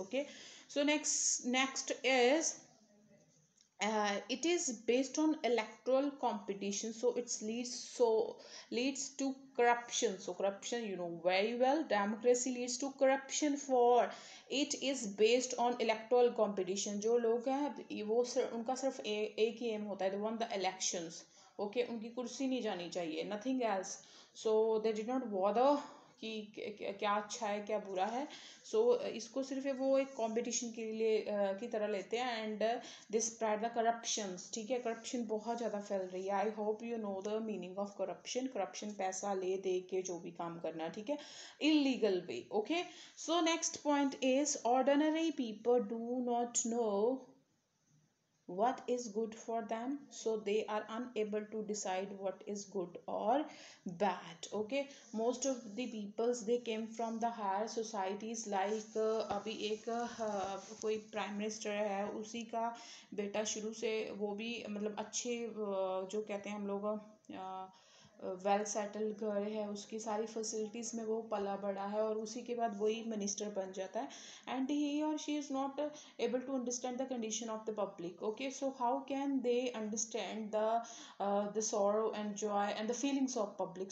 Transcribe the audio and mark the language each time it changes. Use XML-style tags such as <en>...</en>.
<en>Okay, so next is it is based on electoral competition, so it leads to corruption. So corruption, you know very well, democracy leads to corruption, for it is based on electoral competition.</en> <hi>जो लोग हैं वो उनका सिर्फ एक ही M होता है,</hi> <en>they want the elections.</en> <hi>Okay, उनकी कुर्सी नहीं जानी चाहिए,</hi> <en>nothing else. So they did not bother</en> <hi>कि क्या अच्छा है क्या बुरा है. सो इसको सिर्फ वो एक कंपटीशन के लिए की तरह लेते हैं,</hi> <en>And this spread the corruption.</en> <hi>ठीक है, करप्शन बहुत ज़्यादा फैल रही है.</hi> <en>I hope you know the meaning of corruption.</en> <hi>Corruption पैसा ले दे के जो भी काम करना, ठीक है, illegal way.</hi> <en>Okay, so next point is ordinary people do not know what is good for them, so they are unable to decide what is good or bad. Okay, most of the peoples, they came from the higher societies, like</en> <hi>abhi ek koi prime minister hai, usi ka beta shuru se, wo bhi matlab acche jo kehte hain hum log well settled घर है, उसकी सारी facilities में वो पला बड़ा है, और उसी के बाद वही मिनिस्टर बन जाता है.</hi> <en>And he और she is not able to understand the condition of the public. Okay, so how can they understand the sorrow and joy and the feelings of public.</en>